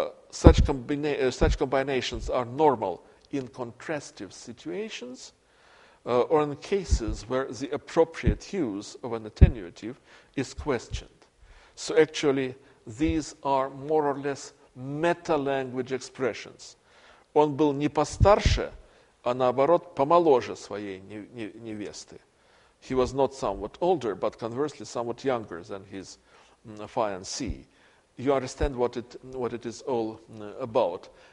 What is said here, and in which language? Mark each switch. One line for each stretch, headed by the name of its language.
English: Such combinations are normal in contrastive situations, or in cases where the appropriate use of an attenuative is questioned. So actually, these are more or less meta-language expressions.
Russian: Он был не постарше, а наоборот помоложе своей невесты.
English: He was not somewhat older, but conversely somewhat younger than his fiancée. You understand what it is all about.